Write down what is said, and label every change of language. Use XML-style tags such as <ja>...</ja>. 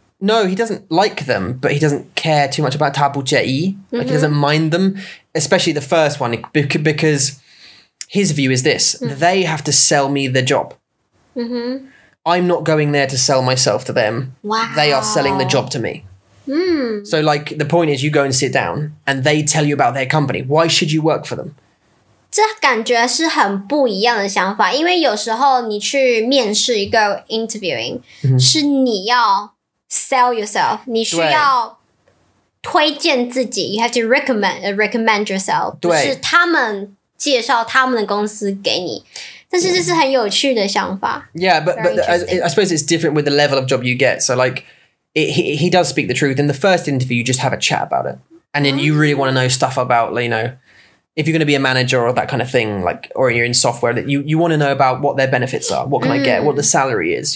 <en>No, he doesn't like them, but he doesn't care too much about</en> <zh>他不介意,</zh> <en>like he doesn't mind them, especially the first one, because... His view is this. They have to sell me the job. I'm not going there to sell myself to them. Wow. They are selling the job to me. So like the point is you go and sit down and they tell you about their company. Why should you work for them?</en> <zh>这感觉是很不一样的想法。因为有时候你去面试一个 interviewing, 是你要</zh> <en>sell yourself.</en> <zh>你需要推荐自己。</zh> <en>You have to recommend yourself.</en> <zh>对。是他们介绍他们的公司给你，但是这是很有趣的想法。</zh> <en>Yeah, but I suppose it's different with the level of job you get. So like, he does speak the truth. In the first interview, you just have a chat about it. And then you really want to know stuff about, you know, if you're going to be a manager or that kind of thing, like, or you're in software, that you want to know about what their benefits are. What can I get? What the salary is?</en>